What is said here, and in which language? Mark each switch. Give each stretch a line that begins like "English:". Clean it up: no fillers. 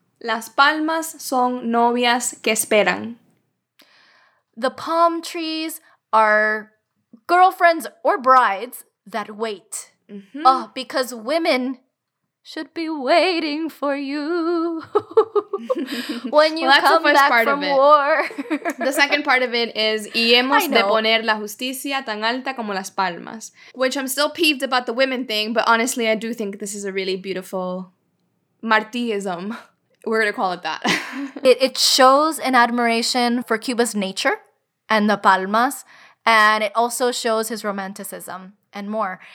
Spanish: Las palmas son novias que esperan.
English: The palm trees are girlfriends or brides that wait. Mm-hmm. Oh, because women should be waiting for you when you well, come back from war. The second part of it is,
Spanish: y hemos de poner la justicia tan alta como las palmas.
English: Which I'm still peeved about the women thing, but honestly, I do think this is a really beautiful Martíism. We're going to call it that. It shows an admiration for Cuba's nature and the palmas, and it also shows his romanticism. And more.